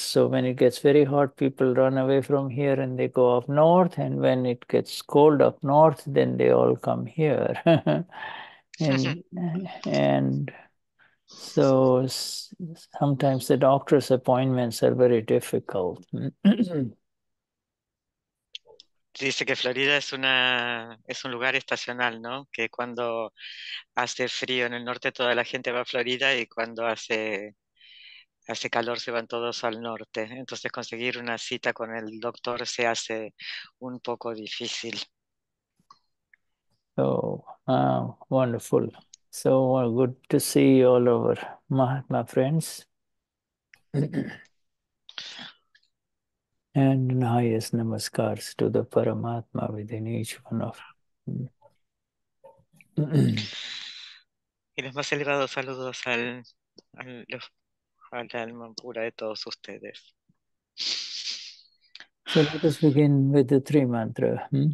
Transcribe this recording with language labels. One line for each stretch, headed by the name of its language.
English: So when it gets very hot, people run away from here and they go up north. And when it gets cold up north, then they all come here. And so sometimes the doctor's appointments are very difficult.
Spanish: Dice que Florida es una es un lugar estacional, ¿no? Que cuando hace frío en el norte toda la gente va a Florida y cuando hace calor se van todos al norte. Entonces conseguir una cita con el doctor se hace un poco difícil.
English: Oh, wonderful. So good to see you all over, my friends. And highest namaskars to the Paramatma within each one of
Spanish: y los más elevados saludos al alma pura de todos ustedes.
English: So let us begin with the three mantra.